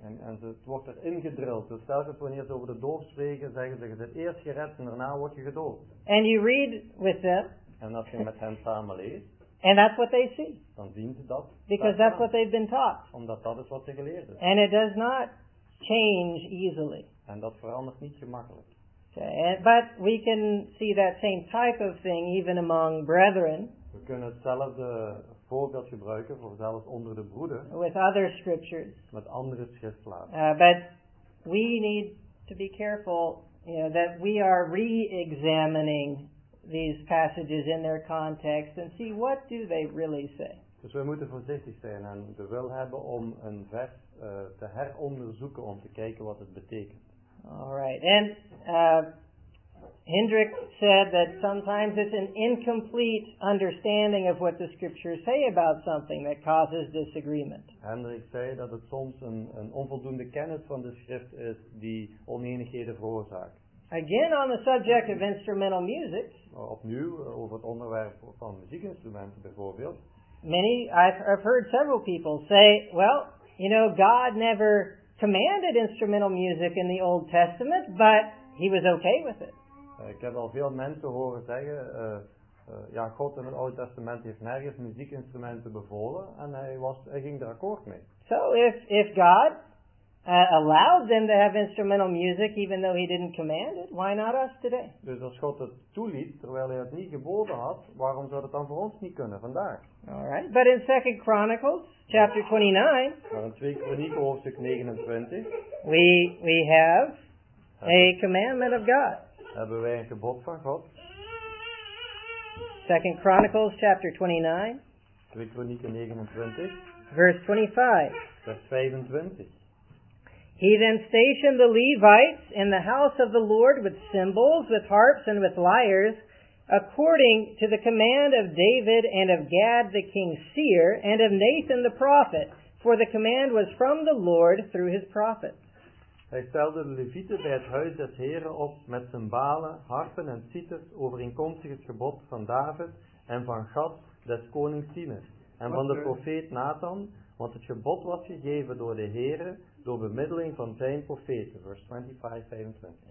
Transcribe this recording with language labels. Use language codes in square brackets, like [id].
[nl] En het wordt er ingedrild. Dus telkens wanneer ze over de doop spreken, zeggen ze, je bent eerst gered en daarna word je gedoopt. [en] And you read with them. [nl] En als je met hen samen leest. [en] And that's what they see. [nl] Dan zien ze dat. [en] Because that's what they've been taught. [nl] Omdat dat is wat ze geleerd is. [en] And it does not change easily. [nl] En dat verandert niet gemakkelijk. [en] Okay, but we can see that same type of thing even among brethren. [nl] We kunnen hetzelfde voorbeeld gebruiken voor zelfs onder de broeders. [en] With other scriptures. [nl] Met andere schriftplaatsen. [en] But we need to be careful, you know, that we are re-examining these passages in their context and see what do they really say. [nl] Dus we moeten voorzichtig zijn en de wil hebben om een vers te heronderzoeken om te kijken wat het betekent. [en] All right, and Hendrik said that sometimes it's an incomplete understanding of what the scriptures say about something that causes disagreement. [nl] Hendrik zei dat het soms een onvoldoende kennis van de schrift is die oneenigheden veroorzaakt. [en] Again on the subject of instrumental music. [nl] Opnieuw over het onderwerp van muziekinstrumenten bijvoorbeeld. [en] I've heard several people say, well, you know, God never commanded instrumental music in the Old Testament, but he was okay with it. [nl] Ik heb al veel mensen horen zeggen, God in het Oude Testament heeft nergens muziekinstrumenten bevolen en hij ging er akkoord mee. [en] So if God allowed them to have instrumental music even though he didn't command it, why not us today? [nl] Dus als God het toeliet, terwijl hij het niet geboden had, waarom zou het dan voor ons niet kunnen vandaag? [en] Alright, but in 2 Chronicles, chapter 29, [nl] maar in 2 Kronieken, hoofdstuk 29, [en] we have a commandment of God. [nl] Hebben wij een gebod van God? [en] 2 Chronicles, chapter 29, [nl] 2 Kronieken 29, [en] verse 25, [nl] vers 25. [en] He then stationed the Levites in the house of the Lord with cymbals, with harps, and with lyres, according to the command of David and of Gad the king's seer, and of Nathan the prophet, for the command was from the Lord through his prophets. [nl] Hij stelde de Levieten bij het huis des Heren op met cymbalen, harpen en citers, overeenkomstig het gebod van David en van Gad des konings seer, en van de profeet Nathan, want het gebod was gegeven door de Heren, door bemiddeling van zijn profeten, vers 25-25.